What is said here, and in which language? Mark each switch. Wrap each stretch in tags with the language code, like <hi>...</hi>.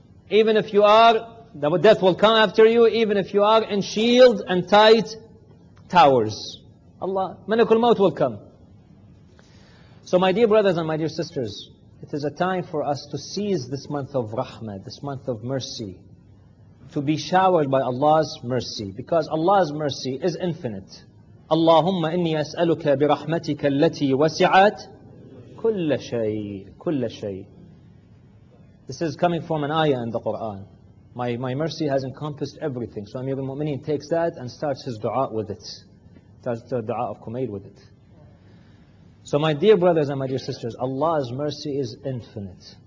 <en>Even if you are, the death will come after you, even if you are in shield and tight towers. Allah, Malakul Maut will come. So my dear brothers and my dear sisters, it is a time for us to seize this month of rahmah, this month of mercy, to be showered by Allah's mercy, because Allah's mercy is infinite.</en> <ar>اللهم إني أسألك برحمتك التي وسعت كل شيء كل شيء.</ar> <en>This is coming from an ayah in the Quran. My mercy has encompassed everything. So Amir al-Mu'mineen takes that and starts his dua with it. Starts the dua of Kumail with it. So my dear brothers and my dear sisters, Allah's mercy is infinite.</en>